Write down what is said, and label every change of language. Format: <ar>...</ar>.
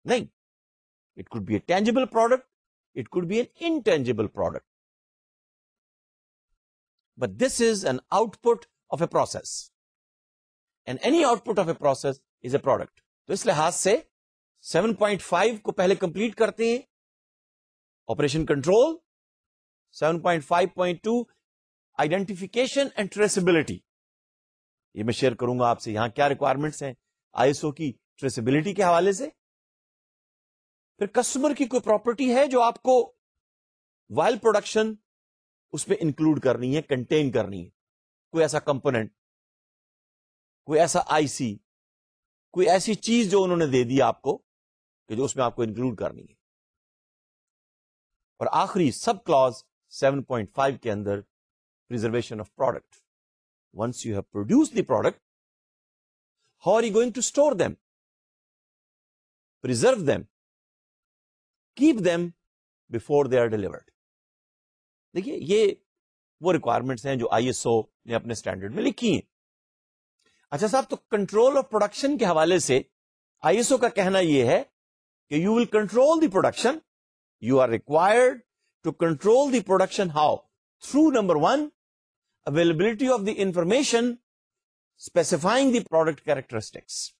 <en>Nahi, it could be a tangible product, it could be an intangible product. But this is an output of a process. And any output of a process is a product.</en> <ur>تو اس لحاظ سے 7.5 کو پہلے complete کرتے ہیں operation control. 7.5.2 identification and traceability. یہ میں share کروں گا آپ سے یہاں کیا ریکوائرمنٹس ہیں ISO کی ٹریسبلٹی کے حوالے سے. پھر کسٹمر کی کوئی پراپرٹی ہے جو آپ کو وائل پروڈکشن اس پہ انکلوڈ کرنی ہے, کنٹین کرنی ہے, کوئی ایسا کمپوننٹ, کوئی ایسا IC, کوئی ایسی چیز جو انہوں نے دے دی آپ کو کہ جو اس میں آپ کو انکلوڈ کرنی ہے. اور آخری سب کلاز 7.5 کے اندر preservation of product.</ur> <en>Once you have produce the product how are you going to store them, preserve them, keep them before they are delivered.</en> <ur>دیکھیے یہ وہ ریکوائرمنٹس ہیں جو ISO نے اپنے اسٹینڈرڈ میں لکھی ہیں. اچھا صاحب تو کنٹرول آف پروڈکشن کے حوالے سے آئی ایس او کا کہنا یہ ہے کہ</ur> <en>You will control the production, you are required to control the production how through number one availability of the information specifying the product characteristics.</en>